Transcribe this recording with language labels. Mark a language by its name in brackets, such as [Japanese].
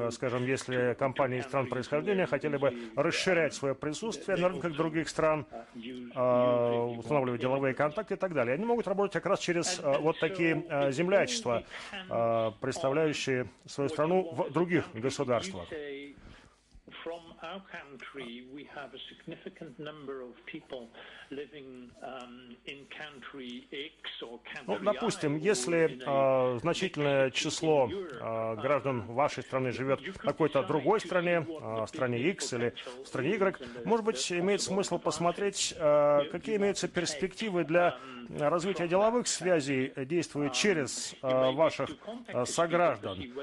[Russian] Скажем, если компании из стран происхождения хотели бы расширять свое присутствие на рынках других стран, устанавливать деловые контакты и так далее. Они могут работать как раз через вот такие землячества, представляющие свою страну в других государствах. [English] From our country, we have a significant number of people living in country X or country Y. [Russian] Ну, допустим, если значительное число граждан вашей страны живет в какой-то другой стране, стране X или стране Y, может быть, имеет смысл посмотреть, какие имеются перспективы для развития деловых связей, действуя через ваших сограждан.